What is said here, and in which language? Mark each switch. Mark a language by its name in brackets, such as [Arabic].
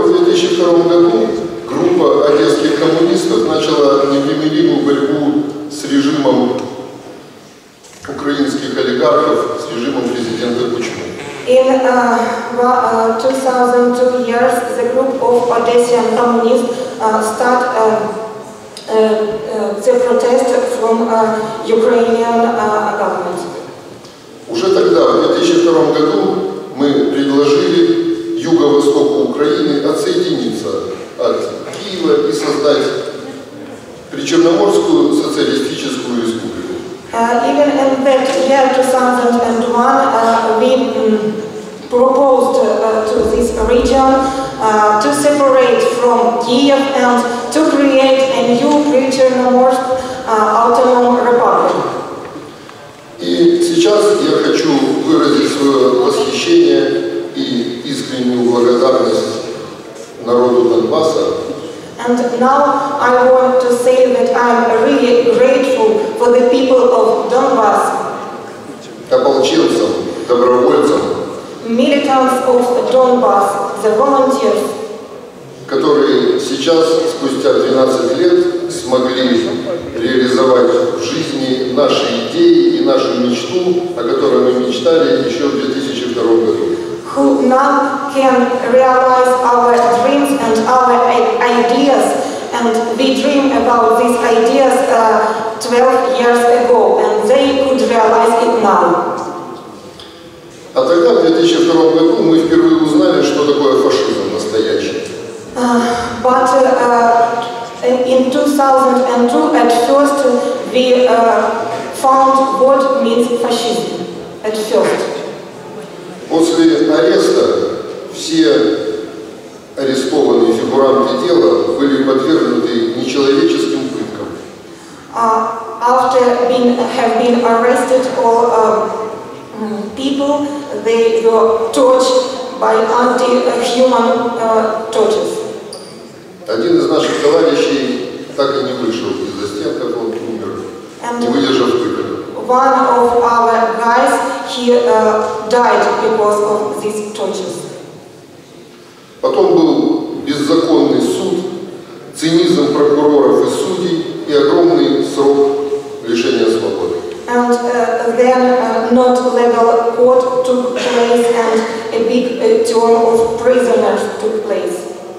[English] good. [Russian] В 2002 году группа одесских коммунистов начала непримиримую борьбу с режимом украинских олигархов, с режимом президента Кучмы. [English] In 2002 years, the group of Odessian communists started the protest from Ukrainian government. [Russian] Уже тогда, в 2002 году, мы предложили юго-востоку Украины отсоединиться от Киева и создать Причерноморскую социалистическую республику. [English] Even in that year, 2001, we proposed to this region to separate from Kiev and to create a new Причерноморск autonomous republic. [Russian] И сейчас я хочу выразить свое восхищение и искреннюю благодарность народу Донбасса. [English] And now I want to say that I am really grateful for the people of Donbass. [Russian] Ополченцам, добровольцам. [English] Militants of Donbass, the volunteers. [Russian] Которые сейчас, спустя 12 лет, смогли реализовать в жизни наши идеи и нашу мечту, о которой мы мечтали еще в 2002 году. [English] Who now can realize our dreams and our ideas, and we dream about these ideas 12 years ago, and they could realize it now. [Russian] А тогда, в 2002 году, мы впервые узнали, что такое фашизм настоящий. [English] But in 2002, at first, we found what means fascism, at first. [Russian] После ареста все арестованные фигуранты дела были подвергнуты нечеловеческим пыткам. [English] After being have been arrested all people, they were tortured by anti-human tortures. [Russian] Один из наших товарищей так и не вышел из-за стен, как он умер, не выдержав пыток. [English] One of our guys, he died because of these tortures. [Russian] Потом был беззаконный суд, цинизм прокуроров и судей и огромный срок лишения свободы. [English] And then not legal court took place and a big term of prisoners took place.